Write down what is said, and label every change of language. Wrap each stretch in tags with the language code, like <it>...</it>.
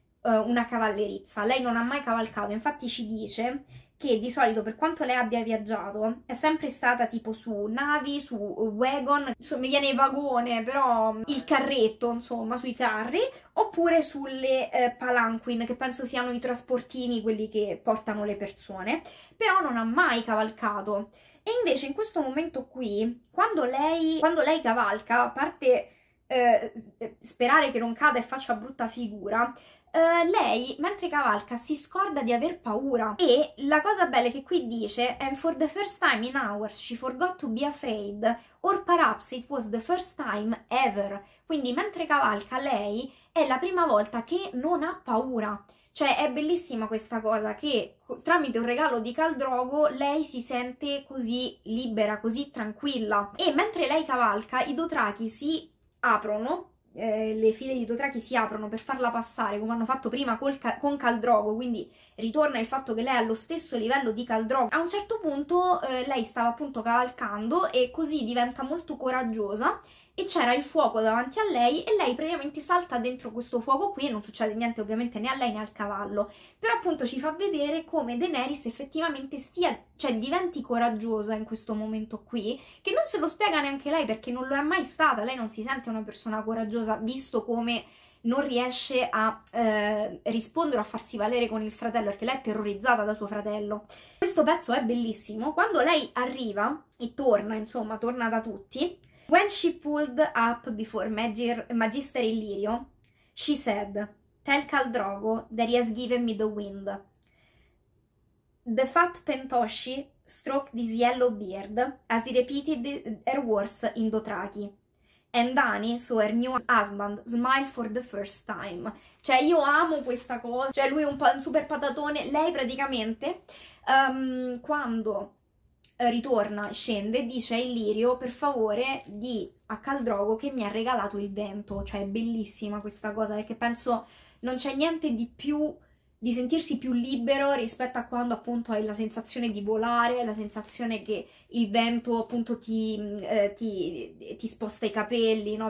<it>una cavallerizza, lei non ha mai cavalcato, infatti ci dice che di solito, per quanto lei abbia viaggiato, è sempre stata tipo su navi, su wagon, insomma, mi viene il vagone, però il carretto, insomma, sui carri, oppure sulle palanquin, che penso siano i trasportini, quelli che portano le persone, però non ha mai cavalcato. E invece in questo momento qui, quando lei cavalca, a parte sperare che non cada e faccia brutta figura, lei, mentre cavalca, si scorda di aver paura. E la cosa bella è che qui dice:</it> <en>And for the first time in hours she forgot to be afraid, or perhaps it was the first time ever.</en> <it>Quindi, mentre cavalca, lei è la prima volta che non ha paura. Cioè, è bellissima questa cosa che tramite un regalo di Khal Drogo lei si sente così libera, così tranquilla. E mentre lei cavalca, i Dothraki si aprono. Le file di Dothraki si aprono per farla passare, come hanno fatto prima con Khal Drogo, quindi ritorna il fatto che lei è allo stesso livello di Khal Drogo. A un certo punto lei stava appunto cavalcando e così diventa molto coraggiosa e c'era il fuoco davanti a lei e lei praticamente salta dentro questo fuoco qui e non succede niente ovviamente né a lei né al cavallo, però appunto ci fa vedere come Daenerys effettivamente cioè diventi coraggiosa in questo momento qui, che non se lo spiega neanche lei perché non lo è mai stata, lei non si sente una persona coraggiosa visto come non riesce a rispondere o a farsi valere con il fratello perché lei è terrorizzata da suo fratello. Questo pezzo è bellissimo. Quando lei arriva e torna, insomma, torna da tutti.</it> <en>When she pulled up before Magister Illyrio, she said, Tell Khal Drogo that he has given me the wind. The fat Pentoshi stroked his yellow beard as he repeated her words in Dothraki. And Dany, so her new husband, smiled for the first time.</en> <it>Cioè, io amo questa cosa. Cioè, lui è un super patatone. Lei praticamente, quando ritorna, scende, dice a Illyrio, per favore, di a Khal Drogo che mi ha regalato il vento. Cioè, è bellissima questa cosa, perché penso non c'è niente di più, di sentirsi più libero rispetto a quando appunto hai la sensazione di volare, la sensazione che il vento appunto ti sposta i capelli, no?</it>